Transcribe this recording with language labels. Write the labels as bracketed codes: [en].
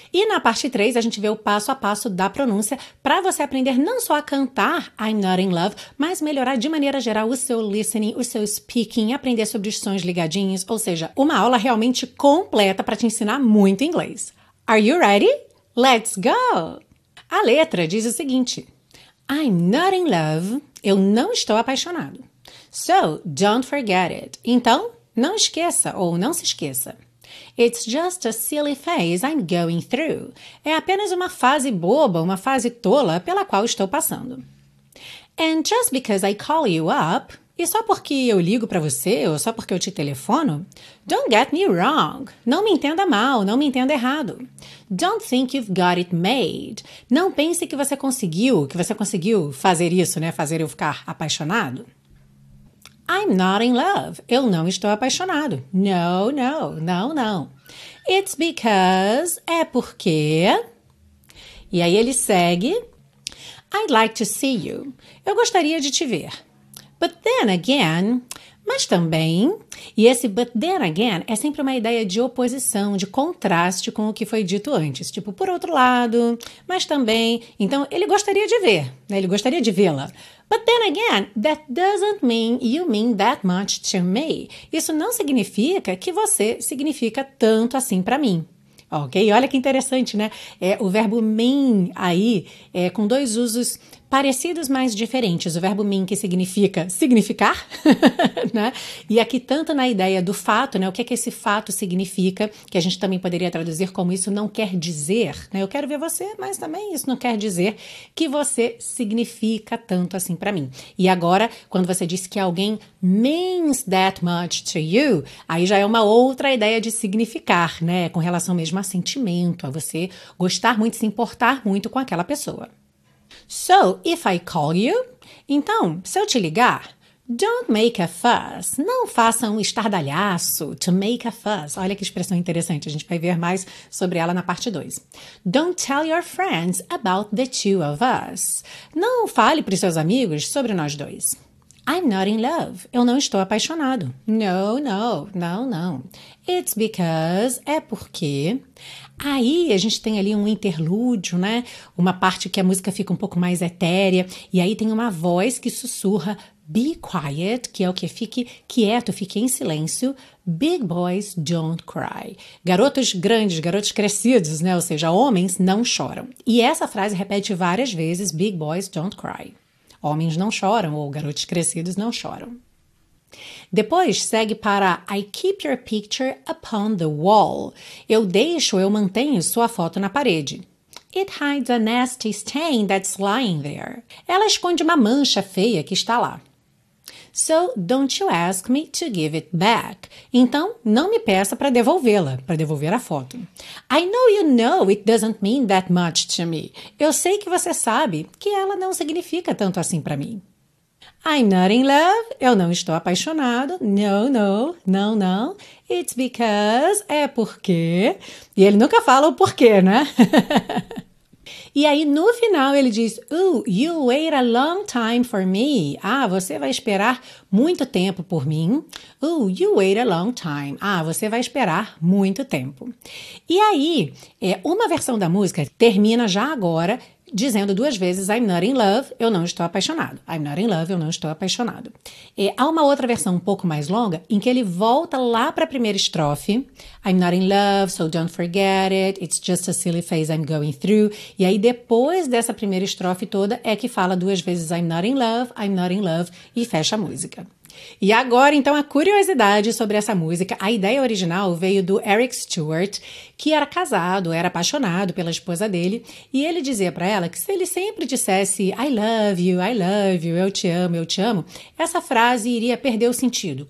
[pt] E na parte 3, a gente vê o passo a passo da pronúncia para você aprender não só a cantar I'm Not In Love, mas melhorar de maneira geral o seu listening, o seu speaking, aprender sobre os sons ligadinhos, ou seja, uma aula realmente completa para te ensinar muito inglês. [en] Are you ready? Let's go! [pt] A letra diz o seguinte: [en] I'm not in love. [pt] Eu não estou apaixonado. [en] So, don't forget it. [pt] Então, não esqueça ou não se esqueça. [en] It's just a silly phase I'm going through. [pt] É apenas uma fase boba, uma fase tola pela qual estou passando. [en] And just because I call you up, [pt] e só porque eu ligo para você ou só porque eu te telefono, [en] don't get me wrong. [pt] Não me entenda mal, não me entenda errado. [en] Don't think you've got it made. [pt] Não pense que você conseguiu fazer isso, né? Fazer eu ficar apaixonado. [en] I'm not in love. [pt] Eu não estou apaixonado. [en] No, no, [pt] não, não. [en] It's because... [pt] É porque... E aí ele segue. [en] I'd like to see you. [pt] Eu gostaria de te ver. [en] But then again... [pt] Mas também... E esse [en] but then again [pt] é sempre uma ideia de oposição, de contraste com o que foi dito antes. Tipo, por outro lado, mas também... Então, ele gostaria de ver, né? Ele gostaria de vê-la. [en] But then again, that doesn't mean you mean that much to me. [pt] Isso não significa que você significa tanto assim para mim. Ok? Olha que interessante, né? É o verbo mean aí é com dois usos parecidos, mas diferentes. O verbo mean que significa significar, né? E aqui tanto na ideia do fato, né? O que é que esse fato significa, que a gente também poderia traduzir como isso não quer dizer, né? Eu quero ver você, mas também isso não quer dizer que você significa tanto assim pra mim. E agora, quando você diz que alguém [en] means that much to you, [pt] aí já é uma outra ideia de significar, né? Com relação mesmo a sentimento, a você gostar muito, se importar muito com aquela pessoa. [en] So, if I call you, [pt] então, se eu te ligar, [en] don't make a fuss, [pt] não faça um estardalhaço, [en] to make a fuss. [pt] Olha que expressão interessante, a gente vai ver mais sobre ela na parte 2. [en] Don't tell your friends about the two of us. [pt] Não fale para os seus amigos sobre nós dois. [en] I'm not in love. [pt] Eu não estou apaixonado. [en] No, no, [pt] não, não. [en] It's because... [pt] É porque... Aí a gente tem ali um interlúdio, né? Uma parte que a música fica um pouco mais etérea. E aí tem uma voz que sussurra [en] be quiet, [pt] que é o que? Fique quieto, fique em silêncio. [en] Big boys don't cry. [pt] Garotos grandes, garotos crescidos, né? Ou seja, homens não choram. E essa frase repete várias vezes, [en] big boys don't cry. [pt] Homens não choram ou garotos crescidos não choram. Depois segue para [en] I keep your picture upon the wall. [pt] Eu deixo, eu mantenho sua foto na parede. [en] It hides a nasty stain that's lying there. [pt] Ela esconde uma mancha feia que está lá. [en] So don't you ask me to give it back. [pt] Então, não me peça para devolvê-la, para devolver a foto. [en] I know you know it doesn't mean that much to me. [pt] Eu sei que você sabe que ela não significa tanto assim para mim. [en] I'm not in love. [pt] Eu não estou apaixonado. Não. [en] It's because. [pt] É porque. E ele nunca fala o porquê, né? E aí, no final, ele diz, [en] oh, you wait a long time for me. [pt] Ah, você vai esperar muito tempo por mim. [en] Oh, you wait a long time. [pt] Ah, você vai esperar muito tempo. E aí, uma versão da música termina já agora, dizendo duas vezes, [en] I'm not in love, [pt] eu não estou apaixonado. [en] I'm not in love, [pt] eu não estou apaixonado. E há uma outra versão um pouco mais longa, em que ele volta lá para a primeira estrofe. [en] I'm not in love, so don't forget it. It's just a silly phase I'm going through. [pt] E aí, depois dessa primeira estrofe toda, é que fala duas vezes, [en] I'm not in love, [pt] e fecha a música. E agora, então, a curiosidade sobre essa música. A ideia original veio do Eric Stewart, que era casado, era apaixonado pela esposa dele, e ele dizia para ela que se ele sempre dissesse [en] I love you, [pt] eu te amo, essa frase iria perder o sentido.